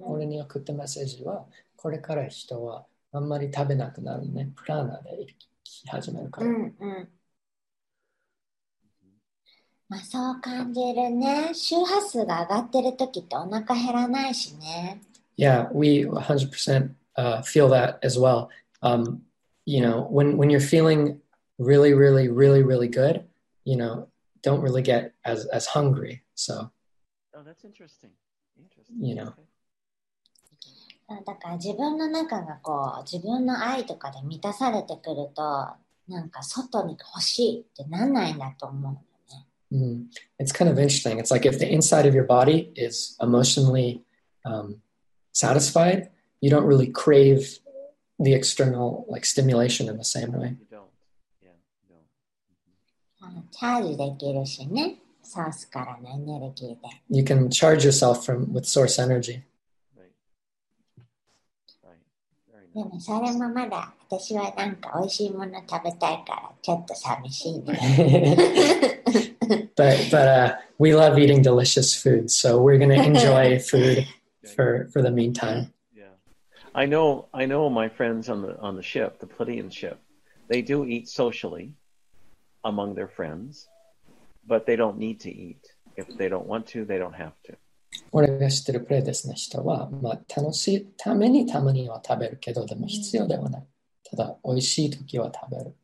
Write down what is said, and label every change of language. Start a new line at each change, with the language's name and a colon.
Japanese: 俺に送ったメッセージは。これから人はあんまり食べなくなるね。プラナで生き始めるから。うんうん。まあそう感じるね。周波数が上がってる時ってお腹減らないしね。
English: Yeah, we 100% feel that as well. you know, when you're feeling really, really, really, really good, you know, don't really get as hungry. So. Oh, that's interesting. Interesting. You know.
Japanese: だから自分の中がこう自分の愛とかで満たされてくるとなんか外に欲しいってなんないんだと思うよね。
English: Mm. It's kind of interesting. It's like if the inside of your body is emotionally satisfied, you don't really crave the external like stimulation in the same way. You don't. Yeah, you don't. Mm-hmm.
Japanese: チャージできるしね、ソースからのエネルギーで。
English: You can charge yourself from with source energy.
Japanese: でもそれもまだ私はなんか美味しいもの食べたいからちょっと寂しいね。
English: But we love eating delicious food, so we're gonna enjoy food for the meantime. Yeah, I know my friends on the ship, the Pleiadian ship, they do eat socially among their friends, but they don't need to eat. If they don't want to, they don't have to.
Japanese: 俺が知ってるプレデスの人は、まあ、楽しいためにたまには食べるけど、でも必要ではない。ただ、美味しい時は食べる。